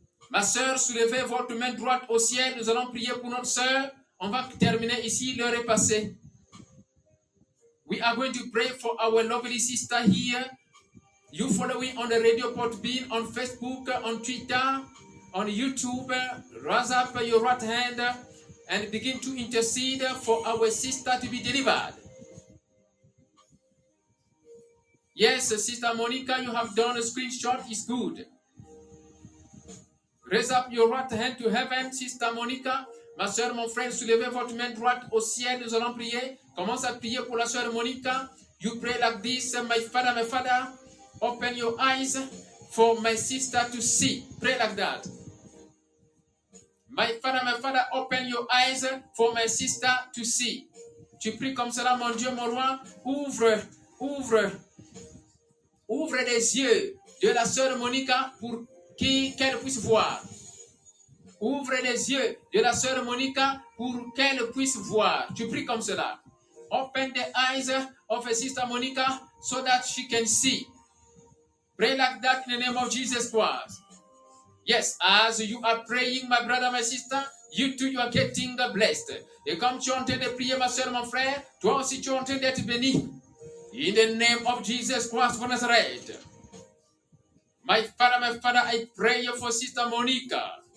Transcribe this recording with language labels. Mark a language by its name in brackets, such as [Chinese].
[French] Ma soeur, soulevez votre main droite au ciel. Nous allons prier pour notre soeur. On va terminer ici. L'heure est passée. [English] We are going to pray for our lovely sister here. You following on the radio Podbean, on Facebook, on Twitter, on YouTube. Raise up your right hand and begin to intercede for our sister to be delivered. Yes, Sister Monica, you have done a screenshot. It's good. Raise up your right hand to heaven, Sister Monica. [French] Ma soeur, mon frère, soulevez votre main droite au ciel. Nous allons prier. Commence à prier pour la soeur Monica. [English] You pray like this. My father, open your eyes for my sister to see. Pray like that. my father, open your eyes for my sister to see. [French] Tu pries comme cela, mon Dieu, mon roi, ouvre, ouvre, ouvre les yeux de la sœur Monica pour qu'elle puisse voir. Ouvre les yeux de la sœur Monica pour qu'elle puisse voir. Tu pries comme cela. [English] Open the eyes of sister Monica so that she can see. Pray like that in the name of Jesus Christ. Yes, as you are praying, my brother, my sister, you too, you are getting blessed. [French] Et comme tu es en train de prier, ma soeur, mon frère, toi aussi, tu es en train d'être béni. [English] In the name of Jesus Christ of Nazareth. My father, I pray for sister Monica.